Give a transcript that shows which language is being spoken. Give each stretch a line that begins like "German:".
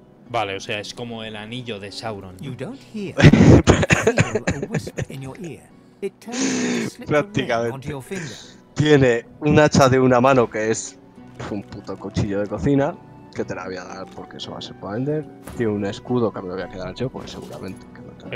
Spanish: Vale, o sea, es como el anillo de Sauron.
English: You don't hear. You feel a whisper in your ear. It turns
Spanish: prácticamente
English: onto your finger.
Spanish: Tiene un hacha de una mano que es un puto cuchillo de cocina, que te la voy a dar porque eso va a ser para vender. Tiene un escudo que me lo voy a quedar yo, porque seguramente que no te lo